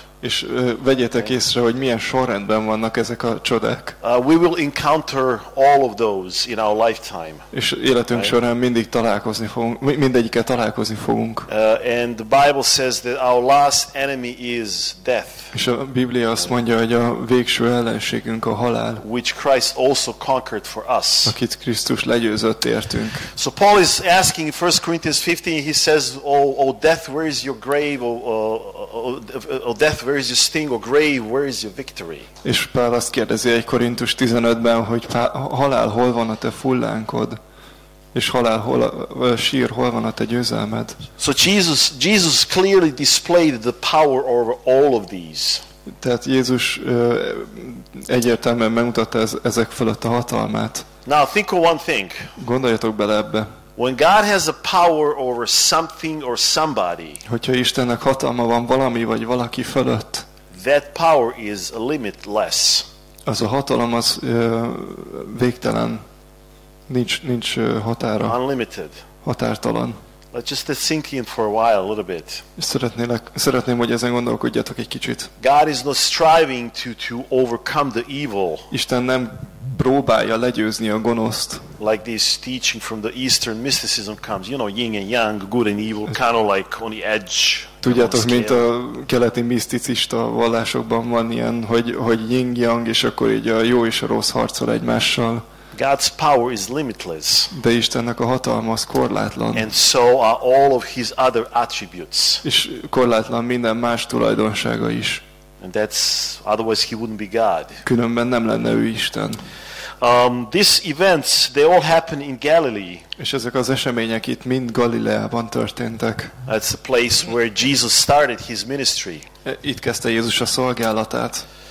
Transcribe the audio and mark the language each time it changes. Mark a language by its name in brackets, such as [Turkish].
[Hungarian] És vegyétek észre, hogy milyen sorrendben vannak ezek a csodák. [English] We will encounter all of those in our lifetime. [Hungarian] És életünk során mindig találkozni fogunk, mindegyikkel találkozni fogunk. [English] And the Bible says that our last enemy is death. [Hungarian] És a Biblia azt mondja, hogy a végső ellenségünk a halál. [English] Which Christ also conquered for us. [Hungarian] Akit Krisztus legyőzött értünk. [English] So Paul is asking in 1 Corinthians 15, he says, oh death, where is your grave? Oh death, where is your sting? Oh grave, where is your victory? [Hungarian] És Pál azt kérdezi egy Korintus 15-ben, hogy halál, hol van a te fullánkod? És halál, hol van a te győzelmed? [English] So Jesus clearly displayed the power over all of these. [Hungarian] Tehát Jézus egyértelműen megmutatta ezek fölött a hatalmát. [English] Now think of one thing. [Hungarian] Gondoljatok bele ebbe. [English] When God has a power over something or somebody. [Hungarian] Hogyha Istennek hatalma van valami vagy valaki fölött. [English] That power is limitless. [Hungarian] Az a hatalom az végtelen. Nincs határa. [English] Unlimited. [Hungarian] Határtalan. [English] Let's just think in for a while a little bit. [Hungarian] Szeretném, hogy ezen gondolkodjatok egy kicsit. [English] God is not striving to overcome the evil. [Hungarian] Isten nem próbálja legyőzni a gonoszt. [English] Like this teaching from the Eastern mysticism comes, you know, yin and yang, good and evil, kind of like on the edge. [Hungarian] Tudjátok, mint a keleti miszticista vallásokban van ilyen, hogy yin yang, és akkor így a jó és a rossz harcol egymással. [English] God's power is limitless. [Hungarian] De Istennek a hatalma az korlátlan. [English] And so are all of his other attributes. [Hungarian] És korlátlan minden más tulajdonsága is. [English] And that's otherwise he wouldn't be God. [Hungarian] Különben nem lenne ő Isten. [English] These events they all happen in Galilee. [Hungarian] És ezek az események itt mind Galileában történtek. [English] That's the place where Jesus started his ministry. [Hungarian] Itt kezdte Jézus a szolgálatát.